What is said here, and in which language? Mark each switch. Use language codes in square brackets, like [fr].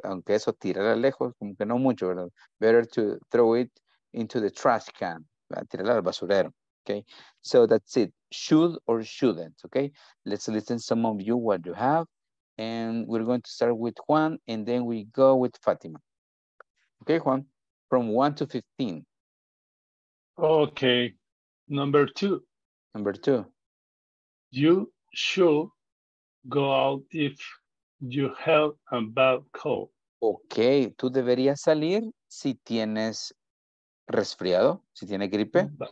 [es] Aunque eso, tirarla lejos, como que no mucho, ¿verdad? [en] Better to throw it into the trash can. [es] ¿Verdad? Tirarla al basurero. [en] Okay, so that's it. Should or shouldn't. Okay, let's listen to some of you what you have. And we're going to start with Juan and then we go with Fatima. Okay, Juan, from 1 to 15. Okay, number two. Number two. You should go out if you have a bad cold. [es] Ok, tú deberías salir si tienes resfriado, si tienes gripe.